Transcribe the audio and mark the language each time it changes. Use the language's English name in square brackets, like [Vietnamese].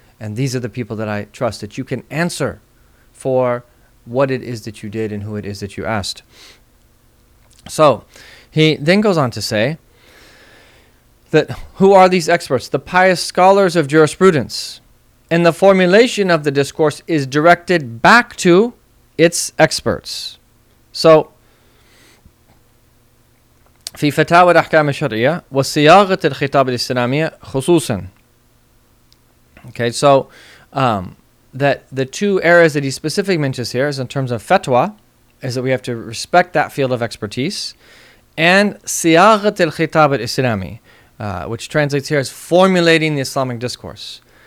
[English] And these are the people that I trust that you can answer for what it is that you did and who it is that you asked. So he then goes on to say, that who are these experts? The pious scholars of jurisprudence. And the formulation of the discourse is directed back to its experts. [Arabic] So, في فتاوى الأحكام الشرعية وصياغة الخطاب الإسلامي خصوصا. [English] Okay, so that the two areas that he specifically mentions here is in terms of fatwa, is that we have to respect that field of expertise, and [Arabic] صياغة الخطاب الإسلامي, [English] which translates here as formulating the Islamic discourse.